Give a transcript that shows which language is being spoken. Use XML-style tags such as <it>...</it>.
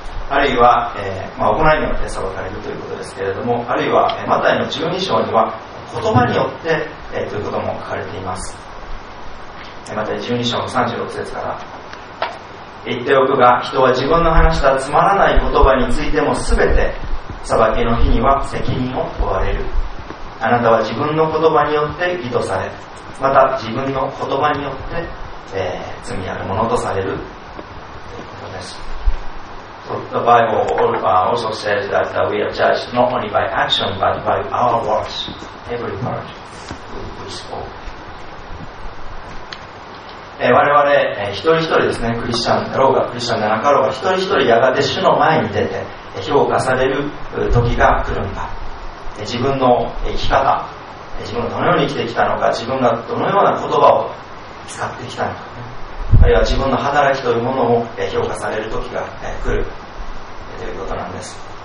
<ja>あるいは、行いによって裁かれるということですけれども、あるいは、マタイの12章には言葉によって、ということも書かれています。マタイ12章の36節から、言っておくが、人は自分の話したつまらない言葉についても全て裁きの日には責任を問われる。あなたは自分の言葉によって義とされ、また自分の言葉によって、罪あるものとされるということです。</ja> <en>The Bible also says that we are judged not only by action but by our words, every word we spoke.</en> <ja>我々、一人一人ですね、クリスチャンだろうがクリスチャンでなかろうが、一人一人やがて主の前に出て評価される時が来るんだ。自分の生き方、自分がどのように生きてきたのか、自分がどのような言葉を使ってきたのか、あるいは自分の働きというものを評価される時が来るということなんです。</ja>